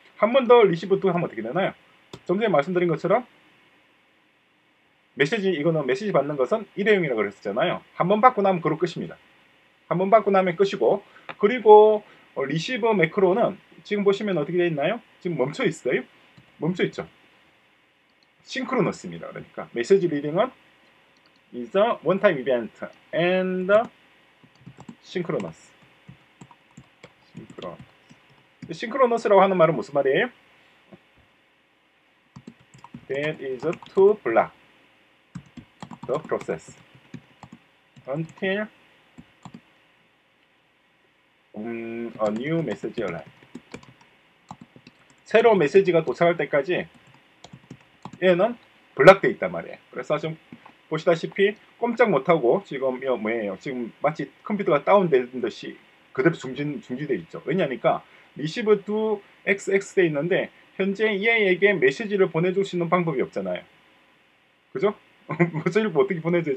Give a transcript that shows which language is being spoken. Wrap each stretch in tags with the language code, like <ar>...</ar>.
<ko>한 번 더 리시브 2 하면 어떻게 되나요? 좀 전에 말씀드린 것처럼 메시지 이거는 메시지 받는 것은 일회용이라고 그랬었잖아요. 한번 받고 나면 그로 끝입니다. 한번 받고 나면 끝이고 그리고 리시버 매크로는 지금 보시면 어떻게 되어 있나요? 지금 멈춰 있어요? 멈춰 있죠? 싱크로너스입니다. 그러니까 메시지 리딩은</ko> <en>is a one-time event and synchronous.</en> <ko>synchronous라고 하는 말은 무슨 말이에요?</ko> <en>That is to block the process until a new message arrives.</en> <ko>새로운 메시지가 도착할 때까지 얘는 블락되어 있단 말이에요. 그래서 좀 보시다시피 꼼짝 못하고 지금 뭐예요? 지금 마치 컴퓨터가 다운된 듯이 그대로 중지되어 있죠. 왜냐니까 receive to xx돼 있는데 현재 얘에게 메시지를 보내줄 수 있는 방법이 없잖아요. 그죠? 메시지를 어떻게 보내줘요?</ko>